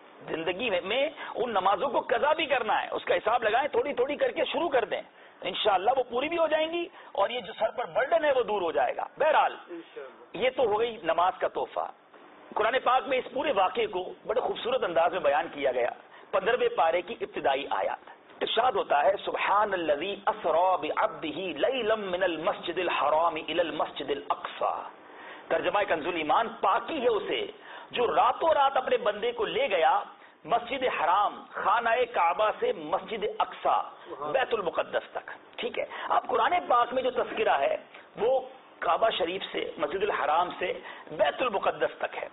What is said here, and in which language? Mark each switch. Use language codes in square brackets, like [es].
[ur] زندگی میں ان نمازوں کو قضا بھی کرنا ہے, اس کا حساب لگائیں, تھوڑی تھوڑی کر کے شروع کر دیں, انشاءاللہ وہ پوری بھی ہو جائیں گی اور یہ جو سر پر برڈن ہے وہ دور ہو جائے گا. بہرحال یہ تو ہو گئی نماز کا تحفہ. قرآن پاک میں اس پورے واقعے کو بڑے خوبصورت انداز میں بیان کیا گیا, 15ویں پارے کی ابتدائی آیات. ارشاد ہوتا ہے, [ar] سبحان الذی اسرا بعبده لیلا من المسجد الحرام الى المسجد الاقصى. [ur] ترجمہ کنز الایمان, پاکی ہے اسے جو راتوں رات اپنے بندے کو لے گیا مسجد حرام, خانہ کعبہ سے مسجد اقصا بیت المقدس تک. ٹھیک ہے, اب قرآن پاک میں جو تذکرہ ہے وہ کعبہ شریف سے, مسجد الحرام سے بیت المقدس تک ہے.